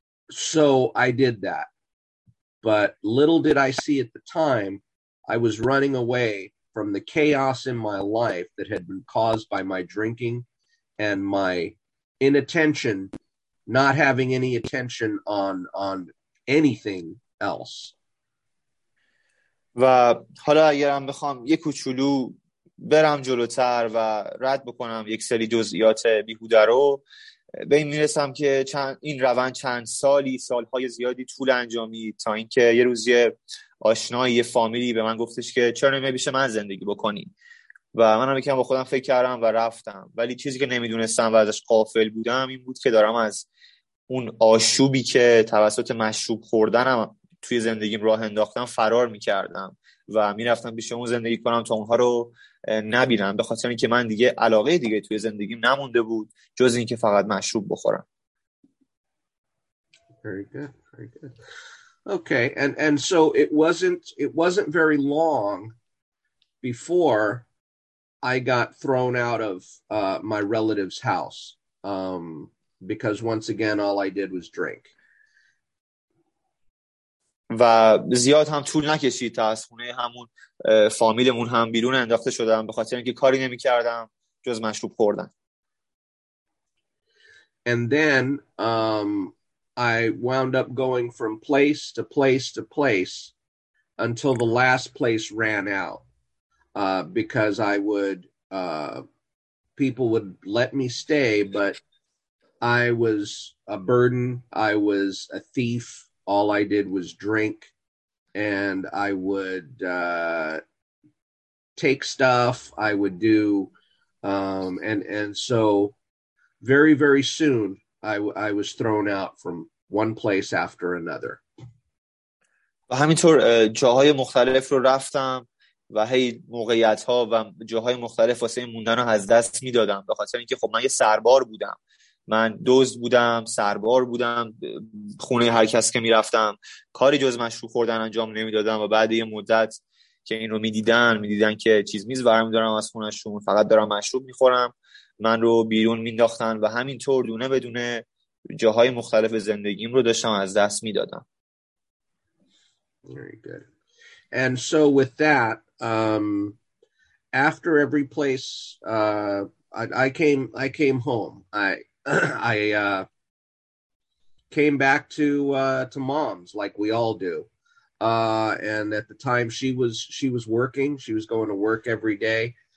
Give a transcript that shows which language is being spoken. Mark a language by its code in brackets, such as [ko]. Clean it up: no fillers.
[en] So I did that. But little did I see at the time, I was running away from the chaos in my life that had been caused by my drinking and my inattention, not having any attention on anything else. [fa] و حالا اگرم بخوام یک کوچولو برم جلوتر و رد بکنم یک سری جزئیات بیهوده رو، به این میرسم که چند این روند چند سالی سالهای زیادی طول انجامید تا اینکه یه روز یه آشنایی یه فامیلی به من گفتش که چرا نمیشه من زندگی بکنی، و منم یکم با خودم فکر کردم و رفتم، ولی چیزی که نمیدونستم و ازش غافل بودم این بود که دارم از اون آشوبی که توسط مشروب خوردنم توی زندگیم راه انداختم فرار میکردم و میرفتم پیش اون زندگی کنم تا اونها رو نبینم، به خاطر اینکه من دیگه علاقه دیگه توی زندگیم نمونده بود جز اینکه فقط مشروب بخورم. [en] Very good. Okay, and so it wasn't very long before I got thrown out of my relative's house because once again all I did was drink. [fa] و زیاد هم طول نکشید تا از خونه همون فامیلمون هم بیرون انداخته شدم به خاطر اینکه کاری نمی کردم جز مشروب خوردن. [en] And then I wound up going from place to place to place until the last place ran out because I would people would let me stay, but I was a burden, I was a thief. All I did was drink, and I would take stuff, I would do, and so very, very soon, I was thrown out from one place after another. [fa] و همینطور جاهای مختلف رو رفتم و هی موقعیت ها و جاهای مختلف واسه موندن رو از دست می دادم به خاطر اینکه خب من یه سربار بودم. من دزد بودم، سربار بودم، خونه هر کس که می رفتم کاری جز مشروب خوردن انجام نمی دادم و بعد یه مدت که این رو می دیدن که چیز میز برمی دارم از خونشون، فقط دارم مشروب می خورم، من رو بیرون می داختن و همینطور دونه به دونه جاهای مختلف زندگیم رو داشتم از دست می دادم. [en] Very good. And so with that, after every place, I came home. I came back to mom's like we all do. And at the time she was working, she was going to work every day.